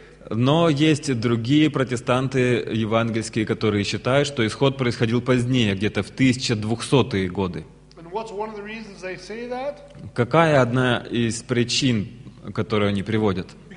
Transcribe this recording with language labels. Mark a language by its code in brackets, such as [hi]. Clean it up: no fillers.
[ru] Но есть другие протестанты евангельские, которые считают, что исход происходил позднее, где-то в 1200-е годы. [en] And what's one of the reasons they say that? [ru] Какая одна из причин, которые они приводят?